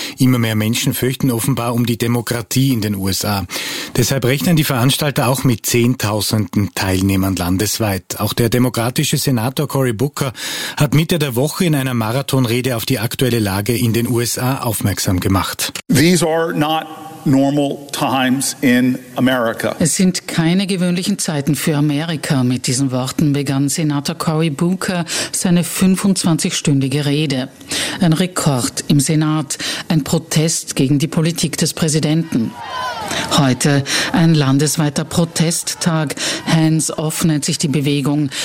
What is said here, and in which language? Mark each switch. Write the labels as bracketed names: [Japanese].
[German] Immer mehr Menschen fürchten offenbar um die Demokratie in den USA. Deshalb rechnen die Veranstalter auch mit Zehntausenden Teilnehmern landesweit. Auch der demokratische Senator Cory Booker hat Mitte der Woche in einer Marathonrede auf die aktuelle Lage in den USA aufmerksam gemacht. [English] These are not normal times in America. [German] Es sind keine gewöhnlichen Zeiten für Amerika. Mit diesen Worten begann Senator Cory Booker seine 25-stündige Rede. Ein Rekord im Senat, ein Protest gegen die Politik des Präsidenten. Heute ein landesweiter Protesttag. Hands off nennt sich die Bewegung.